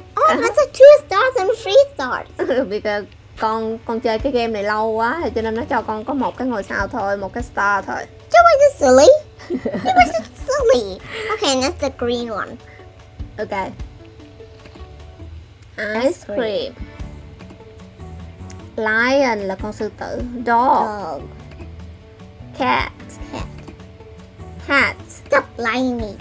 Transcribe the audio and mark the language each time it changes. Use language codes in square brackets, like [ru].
[en] Oh, that's a 2 stars and 3 stars. Because [vi] con chơi cái game này lâu quá cho nên nó cho con có một cái ngôi sao thôi, một cái star thôi. [en] That was just silly. It was just silly. Okay, that's the green one. Okay. Ice cream. [vi] Lion là con sư tử. [en] Dog. Cat. Cat. Stop lying me.